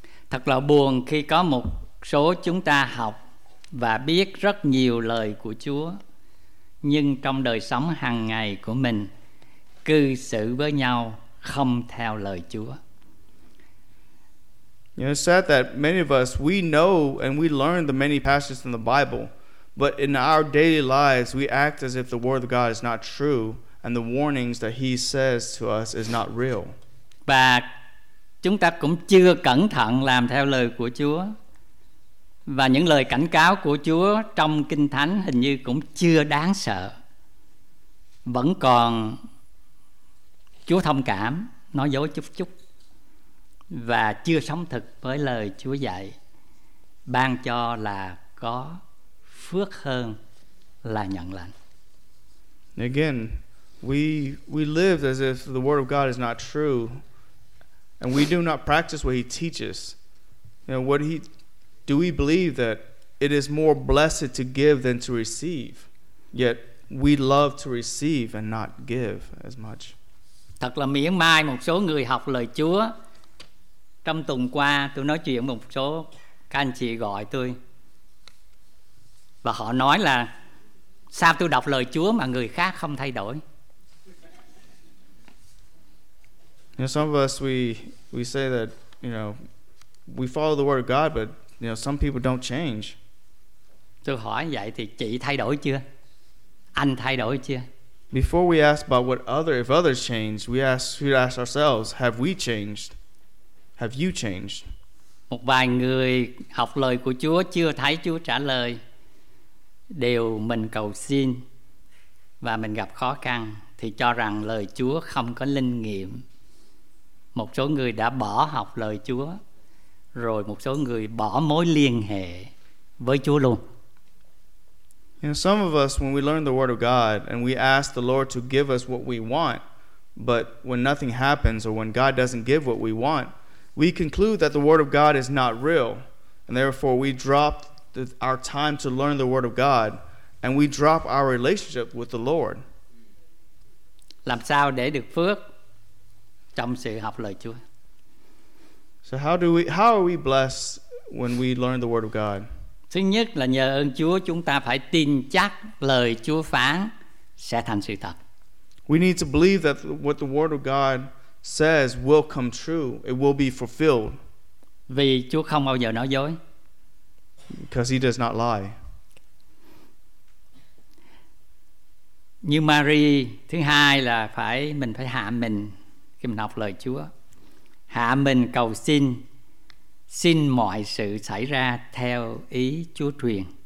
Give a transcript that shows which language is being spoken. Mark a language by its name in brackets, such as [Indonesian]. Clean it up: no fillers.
[Vietnamese] Thật là buồn khi có một số chúng ta học và biết rất nhiều lời của Chúa, nhưng trong đời sống hàng ngày của mình cư xử với nhau không theo lời Chúa. [English] You know, it's sad that many of us, we know and we learn the many passages in the Bible, but in our daily lives we act as if the word of God is not true and the warnings that he says to us is not real. [Vietnamese] Và chúng ta cũng chưa cẩn thận làm theo lời của Chúa, và những lời cảnh cáo của Chúa trong Kinh Thánh hình như cũng chưa đáng sợ, vẫn còn Chúa thông cảm, nói dối chút chút, và chưa sống thực với lời Chúa dạy ban cho là có phước hơn là nhận lành. [English] Again, we live as if the word of God is not true, and we do not practice what he teaches. You know, do we believe that it is more blessed to give than to receive? Yet we love to receive and not give as much. [Vietnamese] Thật là miễn mai một số người học lời Chúa. Trong tuần qua tôi nói chuyện với một số các anh chị gọi tôi, và họ nói là sao tôi đọc lời Chúa mà người khác không thay đổi. [English] You know, some of us we say that, you know, we follow the word of God, but you know, some people don't change. [Vietnamese] Tôi hỏi vậy thì chị thay đổi chưa? Anh thay đổi chưa? [English] Before we ask about if others change, we should ask ourselves, have we changed? Have you changed? [Vietnamese] Một vài người học lời của Chúa chưa thấy Chúa trả lời điều mình cầu xin và mình gặp khó khăn, thì cho rằng lời Chúa không có linh nghiệm. Một số người đã bỏ học lời Chúa, rồi một số người bỏ mối liên hệ với Chúa luôn. [English] You know, some of us, when we learn the word of God and we ask the Lord to give us what we want, but when nothing happens or when God doesn't give what we want, we conclude that the word of God is not real, and therefore we drop our time to learn the word of God and we drop our relationship with the Lord. [Vietnamese] Làm sao để được phước trong sự học lời Chúa? [English] So how are we blessed when we learn the word of God? [Vietnamese] Thứ nhất là nhờ ơn Chúa chúng ta phải tin chắc lời Chúa phán sẽ thành sự thật. [English] We need to believe that what the word of God says will come true. It will be fulfilled. [Vietnamese] Vì Chúa không bao giờ nói dối. [English] Because he does not lie. [Vietnamese] Như Mary, thứ hai là phải mình phải hạ mình khi mình học lời Chúa. Hạ mình cầu xin, xin mọi sự xảy ra theo ý Chúa truyền.